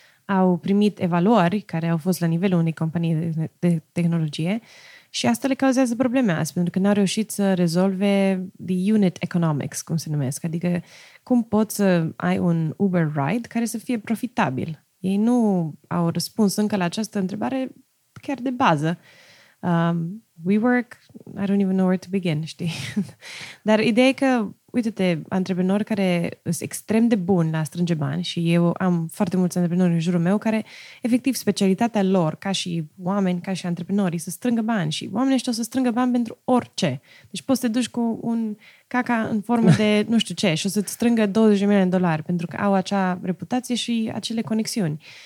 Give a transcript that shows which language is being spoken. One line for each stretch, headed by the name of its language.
Romanian: au primit evaluări care au fost la nivelul unei companii de tehnologie și asta le cauzează probleme azi, pentru că n-au reușit să rezolve
English: the unit economics,
Romanian: cum se numesc, adică cum poți să ai un Uber ride care să fie profitabil. Ei nu au răspuns încă la această întrebare chiar de bază.
English: WeWork, I don't even know where to begin,
Romanian: știi? Dar ideea e că, uite-te, antreprenori care sunt extrem de buni la strânge bani și eu am foarte mulți antreprenori în jurul meu care, efectiv, specialitatea lor, ca și oameni, ca și antreprenori, să strângă bani și oamenii ăștia o să strângă bani pentru orice. Deci poți să te duci cu un caca în formă de nu știu ce și o să-ți strângă 20 milioane de dolari pentru că au acea reputație și acele conexiuni.